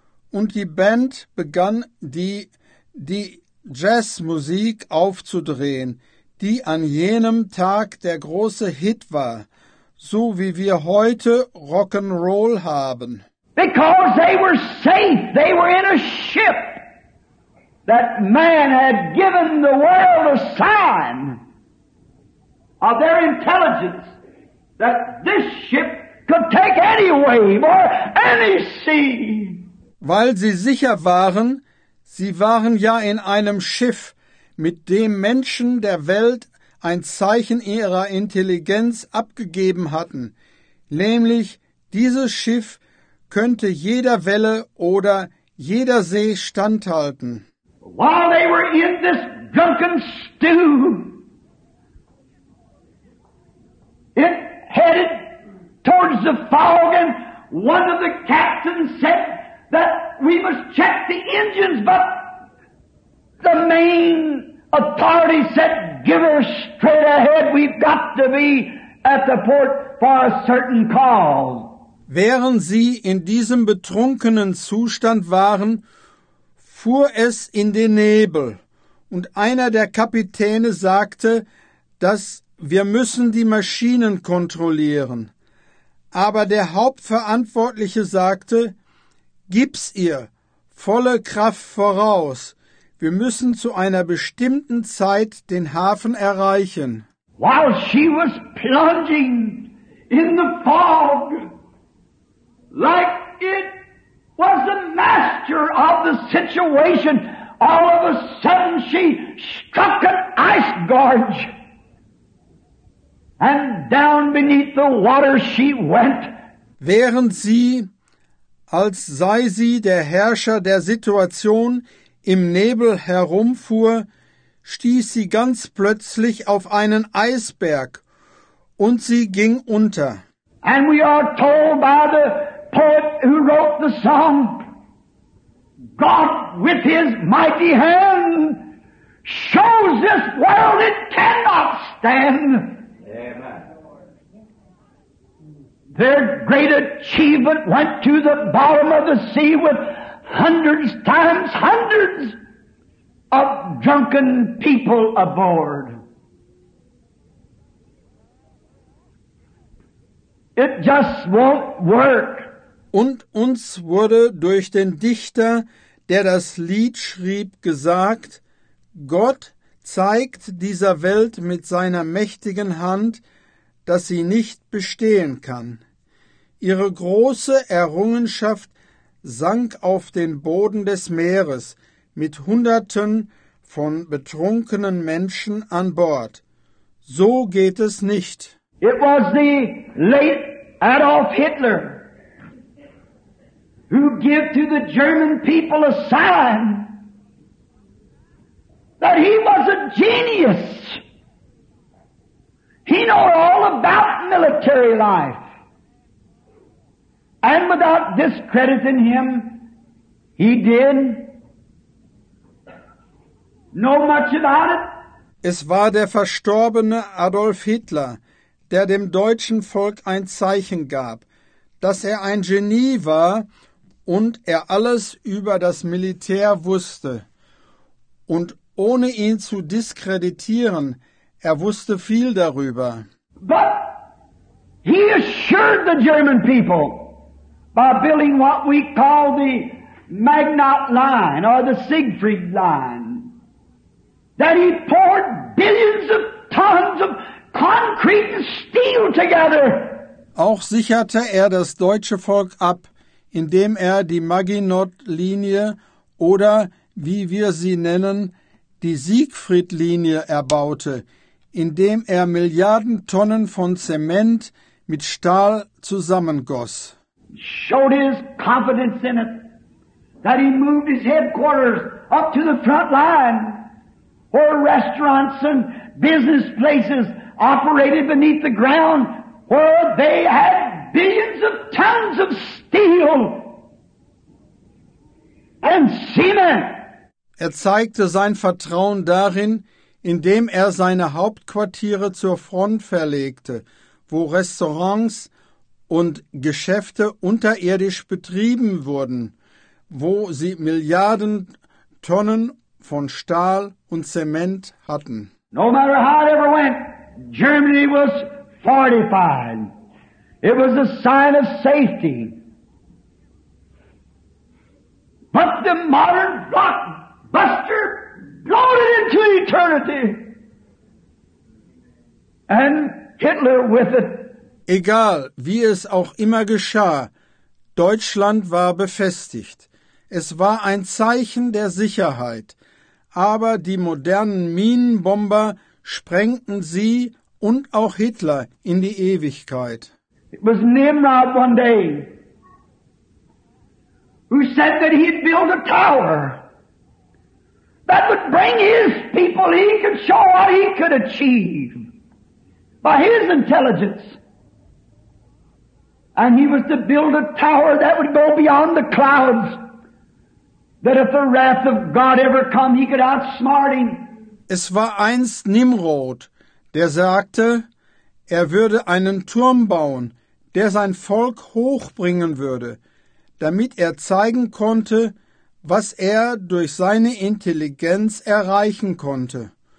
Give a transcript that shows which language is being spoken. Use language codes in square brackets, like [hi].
[de] Und die Band begann die Jazzmusik aufzudrehen, die an jenem Tag der große Hit war, so wie wir heute Rock'n'Roll haben. [en] Because they were safe. They were in a ship. That man had given the world a sign of their intelligence that this ship could take any wave or any sea. [de] Weil sie sicher waren, sie waren ja in einem Schiff, mit dem Menschen der Welt ein Zeichen ihrer Intelligenz abgegeben hatten, nämlich dieses Schiff könnte jeder Welle oder jeder See standhalten. [en] While they were in this drunken stew, it headed towards the fog, and one of the captains said that we must check the engines, but the main authority said, give her straight ahead, we've got to be at the port for a certain call. [de] Während sie in diesem betrunkenen Zustand waren, fuhr es in den Nebel, und einer der Kapitäne sagte, dass wir müssen die Maschinen kontrollieren. Aber der Hauptverantwortliche sagte, gib's ihr, volle Kraft voraus, wir müssen zu einer bestimmten Zeit den Hafen erreichen. [en] While she was plunging in the fog, like it was the master of the situation, all of a sudden she struck an ice gorge. And down beneath the water she went. [de] Während sie, als sei sie der Herrscher der Situation, im Nebel herumfuhr, stieß sie ganz plötzlich auf einen Eisberg und sie ging unter. [en] And we are told by the poet who wrote the song, God with his mighty hand shows this world it cannot stand. Amen. Their great achievement went to the bottom of the sea with hundreds times hundreds of drunken people aboard. It just won't work. [de] Und uns wurde durch den Dichter, der das Lied schrieb, gesagt, Gott zeigt dieser Welt mit seiner mächtigen Hand, dass sie nicht bestehen kann. Ihre große Errungenschaft sank auf den Boden des Meeres mit Hunderten von betrunkenen Menschen an Bord. So geht es nicht. [en] It was the late Adolf Hitler who gave to the German people a sign that he was a genius. He knew all about military life. And without discrediting him, he did know much about it. [de] Es war der verstorbene Adolf Hitler, der dem deutschen Volk ein Zeichen gab, dass er ein Genie war und er alles über das Militär wusste. Und ohne ihn zu diskreditieren, er wusste viel darüber. [en] But he assured the German people by building what we call the Magnat Line or the Siegfried Line, that he poured billions of tons of concrete and steel together. [de] Auch sicherte er das deutsche Volk ab, indem er die Maginot-Linie oder, wie wir sie nennen, die Siegfried-Linie erbaute, indem er Milliarden Tonnen von Zement mit Stahl zusammengoss. [en] Showed his confidence in it, that he moved his headquarters up to the front line, where restaurants and business places operated beneath the ground, where they had billions of tons of steel and cement. [de] Er zeigte sein Vertrauen darin, indem er seine Hauptquartiere zur Front verlegte, wo Restaurants und Geschäfte unterirdisch betrieben wurden, wo sie Milliarden Tonnen von Stahl und Zement hatten. [en] No matter how it ever went, Germany was fortified. It was a sign of safety. But the modern block Buster blown into eternity, and Hitler with it. [de] Egal, wie es auch immer geschah, Deutschland war befestigt. Es war ein Zeichen der Sicherheit. Aber die modernen Minenbomber sprengten sie und auch Hitler in die Ewigkeit. [en] It was Nimrod one day who said that he'd build a tower that would bring his people, he could show what he could achieve by his intelligence. And he was to build a tower that would go beyond the clouds, that if the wrath of God ever come, he could outsmart him. [de] Es war einst Nimrod, der sagte, er würde einen Turm bauen, der sein Volk hochbringen würde, damit er zeigen konnte, was er durch seine Intelligenz erreichen konnte.